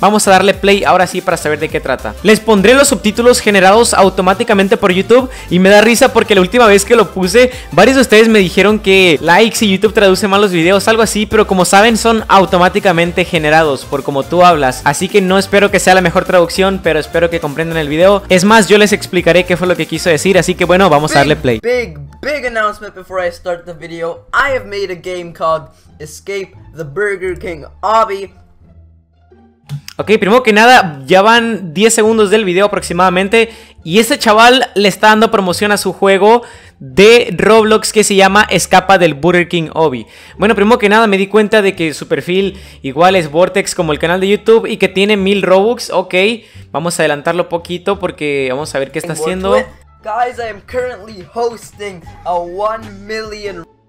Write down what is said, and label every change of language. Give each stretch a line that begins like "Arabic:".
Spanish: Vamos a darle play ahora sí para saber de qué trata. Les pondré los subtítulos generados automáticamente por YouTube y me da risa porque la última vez que lo puse, varios de ustedes me dijeron que likes y YouTube traduce mal los videos, algo así, pero como saben, son automáticamente generados por como tú hablas. Así que no espero que sea la mejor traducción, pero espero que comprendan el video. Es más, yo les explicaré qué fue lo que quiso decir, así que bueno, vamos a darle play.
English: Big, big announcement before I start the video. I have made a game called Escape the Burger King Obby.
Spanish: Ok, primero que nada, ya van 10 segundos del video aproximadamente y este chaval le está dando promoción a su juego de Roblox que se llama Escapa del Burger King Obby. Bueno, primero que nada me di cuenta de que su perfil igual es Vortex como el canal de YouTube y que tiene 1000 Robux. Ok, vamos a adelantarlo poquito porque vamos a ver qué está haciendo.
English: Guys, I am currently hosting a 1 million...